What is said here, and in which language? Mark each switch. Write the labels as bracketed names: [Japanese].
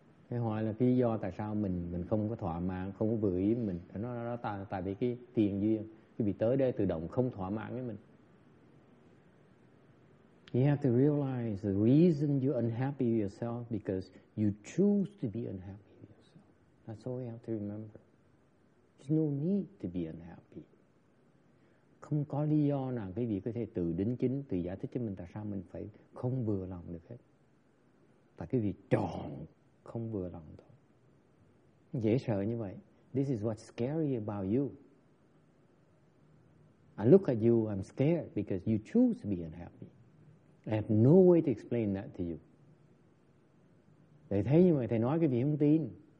[Vietnamese] Cái hỏi là cái do tại sao mình không có thỏa mãn, không có vừa ý mình. Nó tại vì cái tiền duyên, cái bị tới đây tự động không thỏa mãn với mình. [English] You have to realize the reason you're unhappy with yourself because you choose to be unhappy with yourself. That's all you have to remember. There's no need to be unhappy. [Vietnamese] Không có lý do nào cái việc có thể tự đính chính, tự giải thích cho mình tại sao mình phải không vừa lòng được hết. Tại cái việc chọn không vừa lòng thôi. Dễ sợ như vậy. [English] This is what's scary about you. I look at you, I'm scared because you choose to be unhappy. I have no way to explain that to you. [Vietnamese] Thầy thấy như vậy, thầy nói cái gì không tin.